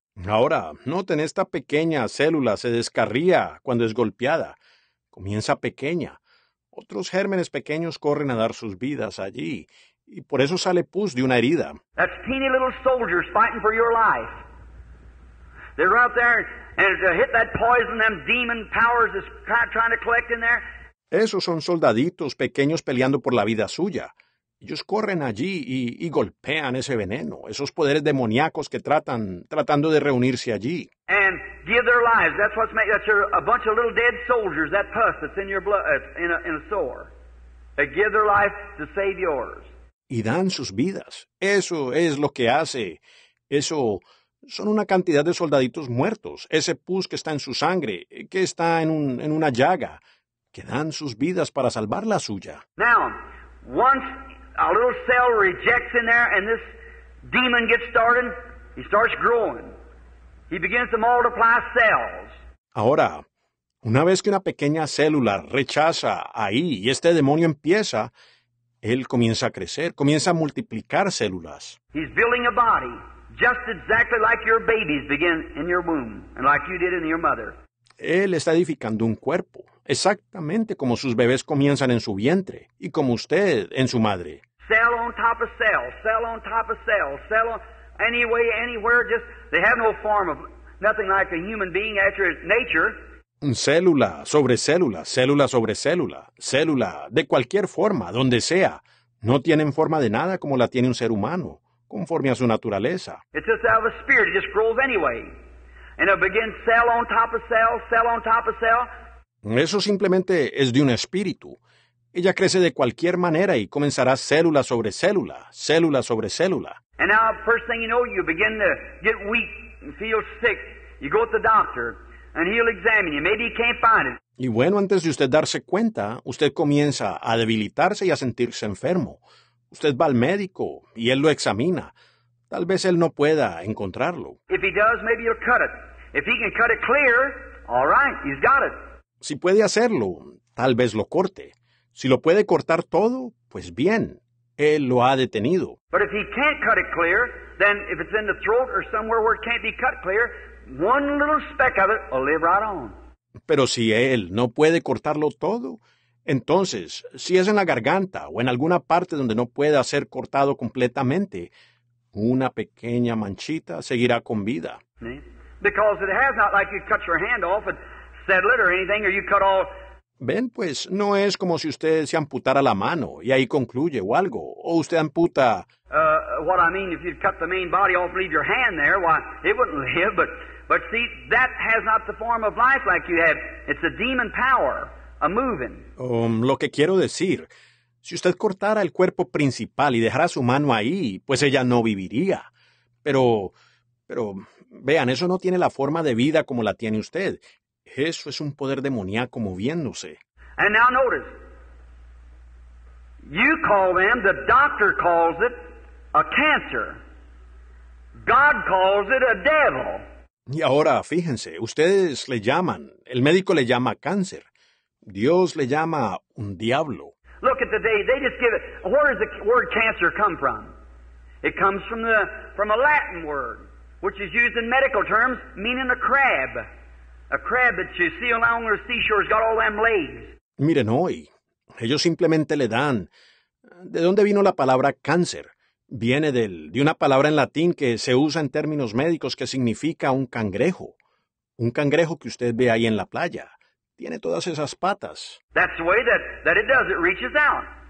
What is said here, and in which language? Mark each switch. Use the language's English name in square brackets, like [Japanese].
[Spanish] Ahora, noten, esta pequeña célula se descarría cuando es golpeada. Comienza pequeña. Otros gérmenes pequeños corren a dar sus vidas allí, y por eso sale pus de una herida. [English] That's teeny little soldiers fighting for your life. They're out there, and to hit that poison, them demon powers is trying to collect in there. [Spanish] Esos son soldaditos pequeños peleando por la vida suya. Ellos corren allí y golpean ese veneno, esos poderes demoníacos que tratando de reunirse allí. [English] And give their lives. That's what's made. That's a bunch of little dead soldiers. That pus that's in your blood, in a sore. They give their life to save yours. [Spanish] Y dan sus vidas. Eso es lo que hace. Eso son una cantidad de soldaditos muertos. Ese pus que está en su sangre, que está en una llaga, que dan sus vidas para salvar la suya. [English] Now, once a little cell rejects in there and this demon gets started, he starts growing. He begins to multiply cells. [Spanish] Ahora, una vez que una pequeña célula rechaza ahí y este demonio empieza, él comienza a crecer, comienza a multiplicar células. [English] He's building a body just exactly like your babies begin in your womb and like you did in your mother. [Spanish] Él está edificando un cuerpo. Exactamente como sus bebés comienzan en su vientre y como usted en su madre. [English] Cell on top of cell, cell on top of cell, cell on, any way, anywhere, just, they have no form of nothing like a human being after nature. [Spanish] Célula sobre célula, célula sobre célula, célula de cualquier forma, donde sea. No tienen forma de nada como la tiene un ser humano, conforme a su naturaleza. [English] It's just out of a spirit, it just grows anyway. And it begins cell on top of cell, cell on top of cell. [Spanish] Eso simplemente es de un espíritu. Ella crece de cualquier manera y comenzará célula sobre célula, célula sobre célula. [English] And now, first thing you know, you begin to get weak and feel sick. You go to the doctor, and he'll examine you. Maybe he can't find it. [Spanish] Y bueno, antes de usted darse cuenta, usted comienza a debilitarse y a sentirse enfermo. Usted va al médico y él lo examina. Tal vez él no pueda encontrarlo. [English] If he does, maybe he'll cut it. If he can cut it clear, all right, he's got it. [Spanish] Si puede hacerlo, tal vez lo corte. Si lo puede cortar todo, pues bien, él lo ha detenido. [English] But if he can't cut it clear, then if it's in the throat or somewhere where it can't be cut clear, one little speck of it will live right on. [Spanish] Pero si él no puede cortarlo todo, entonces, si es en la garganta o en alguna parte donde no pueda ser cortado completamente, una pequeña manchita seguirá con vida. [English] Because it has not like you cut your hand off and settle it or anything, or you cut all. [Spanish] Ven, pues, no es como si usted se amputara la mano y ahí concluye o algo, o usted amputa. [English] What I mean, if you cut the main body off, leave your hand there, why, it wouldn't live. But see, that has not the form of life like you have. It's a demon power, a moving. [Spanish] Lo que quiero decir, si usted cortara el cuerpo principal y dejara su mano ahí, pues ella no viviría. Pero, vean, eso no tiene la forma de vida como la tiene usted. Eso es un poder demoníaco moviéndose. [English] And now notice, you call them, the doctor calls it, a cancer. God calls it a devil. [Spanish] Y ahora, fíjense, ustedes le llaman, el médico le llama cáncer. Dios le llama un diablo. [English] Look at the day, they just give it. Where does the word cancer come from? It comes from a Latin word, which is used in medical terms, meaning a crab. A crab that you see along the seashore has got all them legs. [Spanish] Miren hoy, ellos simplemente le dan. ¿De dónde vino la palabra cáncer? Viene de una palabra en latín que se usa en términos médicos que significa un cangrejo. Un cangrejo que usted ve ahí en la playa. Tiene todas esas patas. [English] That's the way that it does. It reaches out.